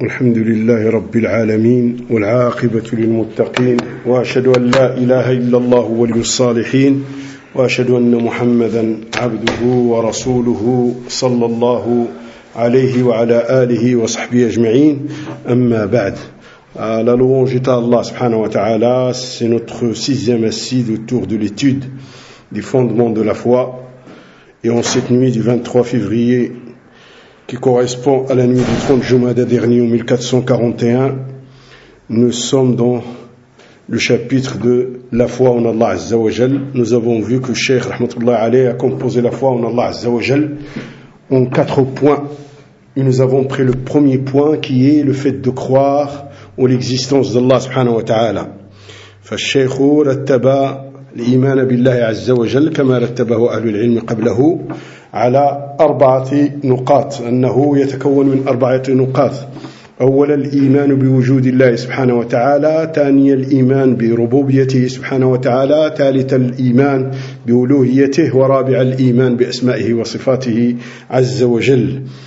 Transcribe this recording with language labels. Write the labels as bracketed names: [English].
[Arabic] الحمد لله رب العالمين والعاقبة للمتقين، وأشهد أن لا إله إلا الله ولي الصالحين، وأشهد أن محمدا عبده ورسوله صلى الله عليه وعلى آله وصحبه أجمعين. أما بعد، [French] la louange est à Allah subhanahu wa ta'ala. C'est notre sixième assise autour de l'étude des fondements de la foi, et en cette nuit du 23 février qui correspond à la nuit du 30 Jumada dernier, en 1441, nous sommes dans le chapitre de la foi en Allah Azza wa Jal. Nous avons vu que Cheikh Rahmatullah Alayhi a composé la foi en Allah Azza wa Jal en quatre points. Et nous avons pris le premier point qui est le fait de croire en l'existence d'Allah subhanahu wa ta'ala. [Arabic] فالشيخ رتب الإيمان بالله عز وجل كما رتبه أهل العلم قبله على أربعة نقاط، أنه يتكون من أربعة نقاط: أولا الإيمان بوجود الله سبحانه وتعالى، ثانيا الإيمان بربوبيته سبحانه وتعالى، ثالثا الإيمان بألوهيته، ورابعا الإيمان بأسمائه وصفاته عز وجل.